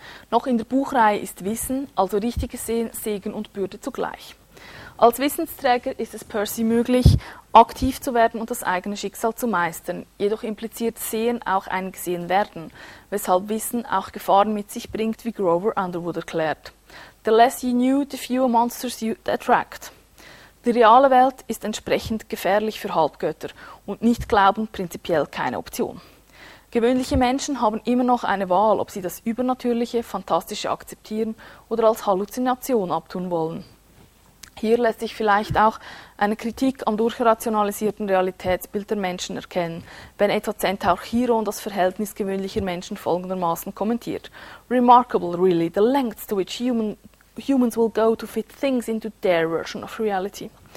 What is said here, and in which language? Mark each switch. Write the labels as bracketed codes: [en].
[de] Noch in der Buchreihe ist Wissen, also richtiges Sehen, Segen und Bürde zugleich. Als Wissensträger ist es Percy möglich, aktiv zu werden und das eigene Schicksal zu meistern. Jedoch impliziert Sehen auch ein Gesehenwerden, weshalb Wissen auch Gefahren mit sich bringt, wie Grover Underwood erklärt. [en] The less you knew, the fewer monsters you attract. [de] Die reale Welt ist entsprechend gefährlich für Halbgötter und nicht glauben prinzipiell keine Option. Gewöhnliche Menschen haben immer noch eine Wahl, ob sie das Übernatürliche, Fantastische akzeptieren oder als Halluzination abtun wollen. Hier lässt sich vielleicht auch eine Kritik am durchrationalisierten Realitätsbild der Menschen erkennen, wenn etwa Centaur Chiron das Verhältnis gewöhnlicher Menschen folgendermaßen kommentiert: [en] Remarkable, really, the lengths to which humans will go to fit things into their version of reality.